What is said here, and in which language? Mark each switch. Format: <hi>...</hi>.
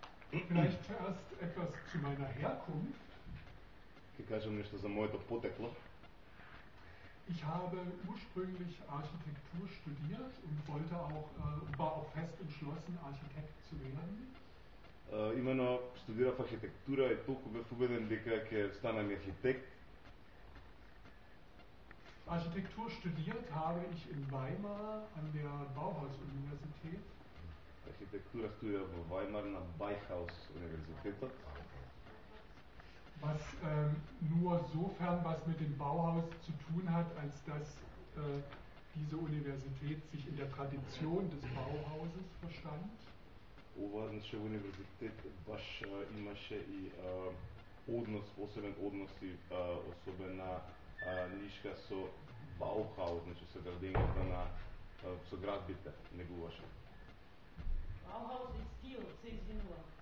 <de>Vielleicht erst etwas zu meiner Herkunft.</de> <mk>Ќе кажам нешто за моето потекло.</mk> <de>Ich habe ursprünglich Architektur studiert und wollte auch war auch fest entschlossen Architekt zu werden.</de> <mk>Именно студирав архитектура и толку бев убеден дека ќе станам архитект.</mk> <de>Architektur studiert habe ich in Weimar an der Bauhaus Universität.</de> <mk>Архитектура студирав во Weimar на Bauhaus Университетот.</mk> <de>Was nur sofern was mit dem Bauhaus zu tun hat, als dass diese Universität sich in der Tradition des Bauhauses verstand.</de> <mk>Оваа универзитет баш имаше и однос, особен однос и особена нишка со Bauhaus, значи со градењата на со градбите неговаше.</mk> <de>Bauhaus ist Stil,</de> <mk>се извинува.</mk>